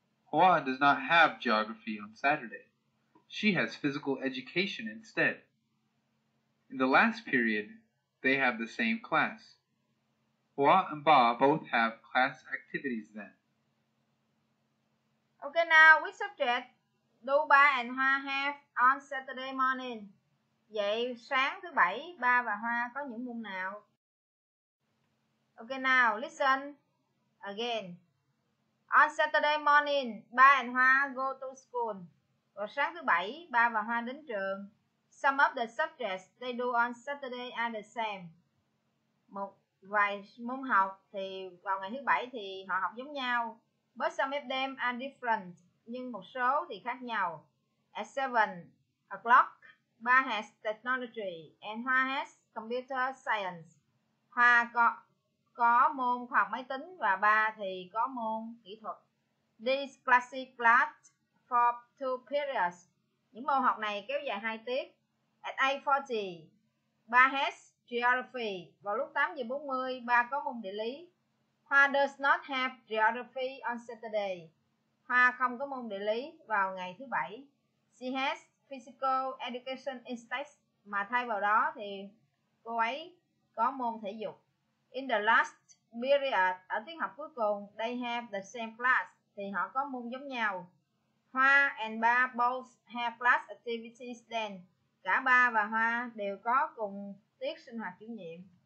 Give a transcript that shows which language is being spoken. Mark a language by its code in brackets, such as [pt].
[en] Hua does not have geography on Saturday. She has physical education instead. In the last period, they have the same class. Hua and Ba both have class activities then. Okay, now, which subject do Ba and Hoa have on Saturday morning? [vi] Vậy, sáng thứ bảy, Ba và Hoa có những môn nào? [en] Okay, now, listen again. On Saturday morning, Ba and Hoa go to school. [vi] Vào sáng thứ bảy, Ba và Hoa đến trường. [en] Some of the subjects they do on Saturday are the same. [vi] Một vài môn học thì vào ngày thứ bảy thì họ học giống nhau. [en] But some of them are different, nhưng một số thì khác nhau. At 7 o'clock, Ba has technology and Hoa has computer science. [vi] Hoa có môn khoa học máy tính và Ba thì có môn kỹ thuật. [en] This classic class for 2 periods. [vi] Những môn học này kéo dài 2 tiết. [en] At 8:40, Ba has geography. [vi] Vào lúc 8:40, Ba có môn địa lý. Hoa does not have geography on Saturday. Hoa không có môn địa lý vào ngày thứ bảy. She has physical education instead. Mà thay vào đó thì cô ấy có môn thể dục. [en] In the last period, ở tiết học cuối cùng, they have the same class. [vi] Thì họ có môn giống nhau. [en] Hoa and Ba both have class activities then. [vi] Cả Ba và Hoa đều có cùng tiết sinh hoạt chủ nhiệm.